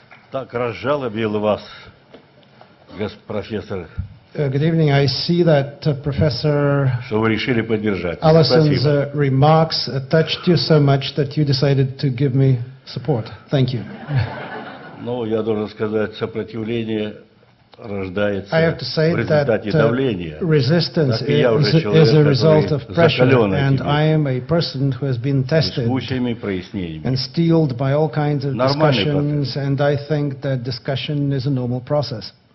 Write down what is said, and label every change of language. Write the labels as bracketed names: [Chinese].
[Russian] Так разжалобил вас, профессор. [English] Good evening. I see that Professor. [Russian] Что вы решили поддержать? [English] Allison's remarks touched you so much that you decided to give me support. Thank you. [Russian] Ну, я должен сказать, сопротивление рождается в результате давления. [English] Resistance is a result of pressure, and I am a person who has been tested and steeled by all kinds of discussions, and I think that discussion is a normal process.